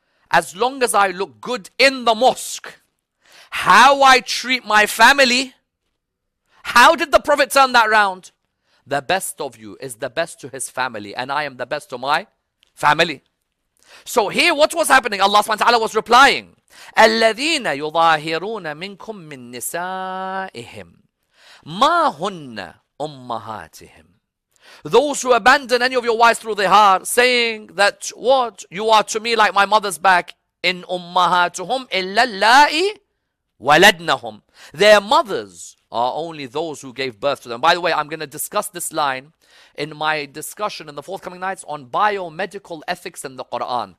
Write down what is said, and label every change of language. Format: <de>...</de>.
<en>As long as I look good in the mosque, how I treat my family, how did the Prophet turn that round? The best of you is the best to his family, and I am the best to my family. So here, what was happening? Allah subhanahu wa ta'ala was replying,</en> <ar>الَّذِينَ يُظَاهِرُونَ مِنْكُمْ مِنْ نِسَائِهِمْ مَا هُنَّ أُمَّهَاتِهِمْ.</ar> <en>Those who abandon any of your wives through their heart, saying that what? You are to me like my mother's back.</en> <ar>إِنْ أُمَّهَاتُهُمْ إِلَّا اللَّائِي وَلَدْنَهُمْ.</ar> <en>Their mothers are only those who gave birth to them. By the way, I'm going to discuss this line in my discussion in the forthcoming nights on biomedical ethics in the Quran.</en>